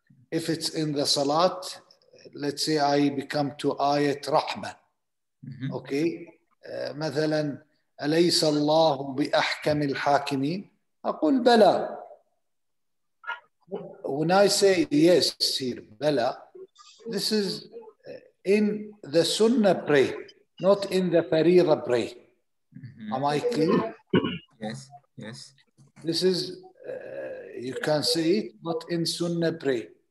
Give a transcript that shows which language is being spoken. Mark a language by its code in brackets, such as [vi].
[en] If it's in the Salat, let's say I become to Ayat Rahmah. Mm-hmm. [ar] Okay, مثلاً أليس الله بأحكم الحاكمين؟ أقول بلى. [en] When I say yes, sir, bala, this is in the Sunnah pray, not in the Fariḍa pray. Mm-hmm. Am I clear? Yes, yes. This is, you can say it, but in Sunnah pray.